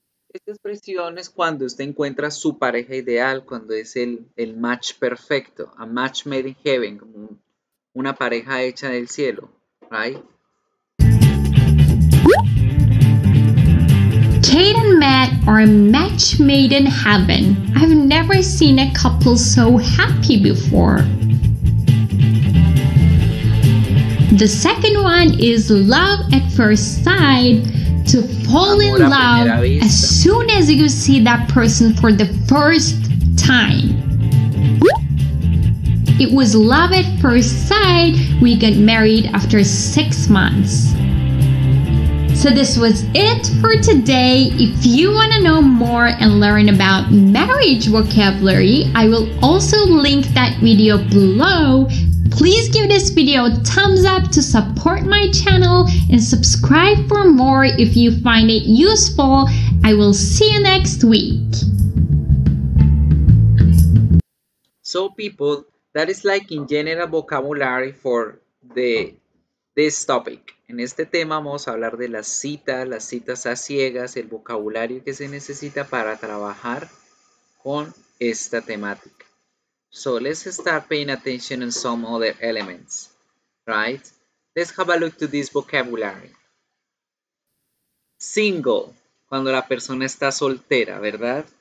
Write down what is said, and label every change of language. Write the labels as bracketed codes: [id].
[es] Esta expresión es cuando usted encuentra su pareja ideal, cuando es el match perfecto, [en] a match made in heaven, [es] como una pareja hecha del cielo, [en] right? Kate and Matt are a match made in heaven. I've never seen a couple so happy before. The second one is love at first sight. To fall in love as soon as you see that person for the first time. It was love at first sight. We got married after 6 months. So this was it for today. If you want to know more and learn about marriage vocabulary, I will also link that video below. Please give this video a thumbs up to support my channel and subscribe for more if you find it useful. I will see you next week. So people, that is like in general vocabulary for this topic. [es] En este tema vamos a hablar de las citas a ciegas, el vocabulario que se necesita para trabajar con esta temática. [en] So let's start paying attention on some other elements, right? Let's have a look to this vocabulary. Single, [es] cuando la persona está soltera, ¿verdad?